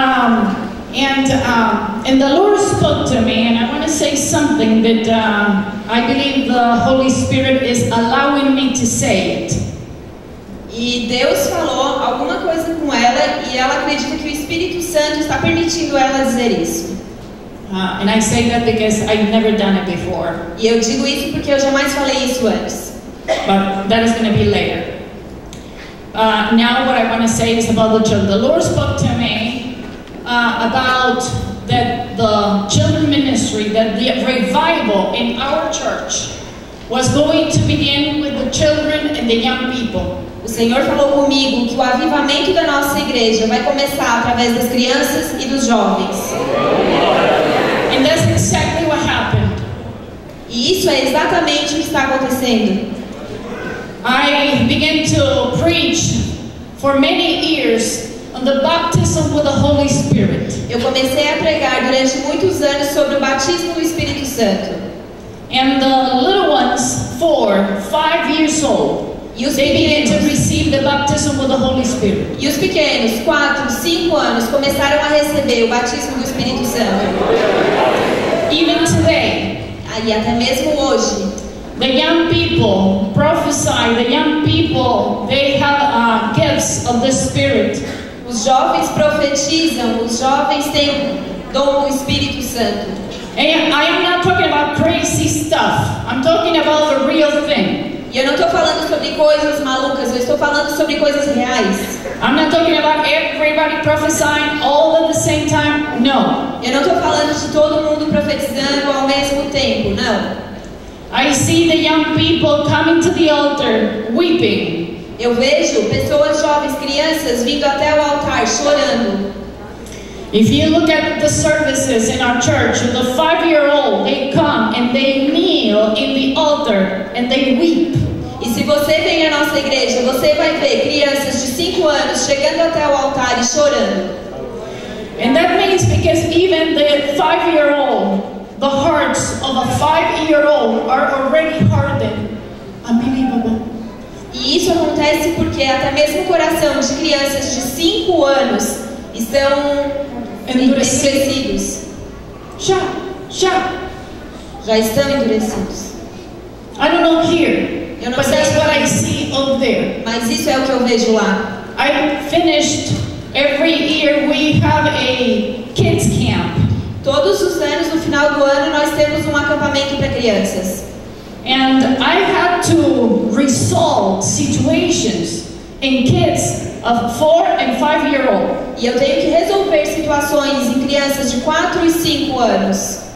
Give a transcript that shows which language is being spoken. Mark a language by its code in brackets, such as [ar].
[en] And the Lord spoke to me, and I want to say something that I believe the Holy Spirit is allowing me to say it. [pt] E Deus falou alguma coisa com ela, e ela acredita que o Espírito Santo está permitindo ela dizer isso. [en] And I say that because I've never done it before. [pt] E eu digo isso porque eu jamais falei isso antes. [en] But that is going to be later. Now what I want to say is about the children. The Lord spoke to me about that the children ministry, that the revival in our church was going to begin with the children and the young people. [pt] O Senhor falou comigo que o avivamento da nossa igreja vai começar através das crianças e dos jovens. [en] And that's exactly what happened. [pt] E isso é exatamente o que está acontecendo. [en] I began to preach for many years on the baptism with the Holy Spirit. [pt] Eu comecei a pregar durante muitos anos sobre o batismo do Espírito Santo. [en] And the little ones, 4, 5 years old. [pt] E os pequenos, [en] to receive the baptism with the Holy Spirit. [pt] E os pequenos, 4, 5 anos, começaram a receber o batismo do Espírito Santo. [en] Even today, [pt] e até mesmo hoje, [en] the young people prophesy, the young people, they have gifts of the Spirit. [pt] Os jovens profetizam, os jovens têm dom do Espírito Santo. [en] And I am not talking about crazy stuff. I'm talking about the real thing. [pt] E eu não estou falando sobre coisas malucas, eu estou falando sobre coisas reais. [en] I'm not talking about everybody prophesying all at the same time. No. [pt] Eu não estou falando de todo mundo profetizando ao mesmo tempo. Não. [en] I see the young people coming to the altar weeping. [pt] Eu vejo pessoas jovens, crianças vindo até o altar chorando. [en] If you look at the services in our church, the 5-year-old, they come and they kneel in the altar and they weep. [pt] E se você vem à nossa igreja, você vai ver crianças de 5 anos chegando até o altar e chorando. [en] And that means because even the 5-year-old, the hearts of a 5-year-old are already hardened. Unbelievable. [pt] E isso acontece porque até mesmo o coração de crianças de 5 anos estão endurecidos. Já estão endurecidos. [en] I don't know here, [pt] eu não sei, [en] but that's what I see over there. [pt] Mas isso é o que eu vejo lá. [en] I finished every year we have a kids camp. [pt] Todos os anos no final do ano nós temos um acampamento para crianças. [en] And I had to resolve situations in kids of 4 and 5 year old. [pt] E eu tenho que resolver situações em crianças de 4 e 5 anos.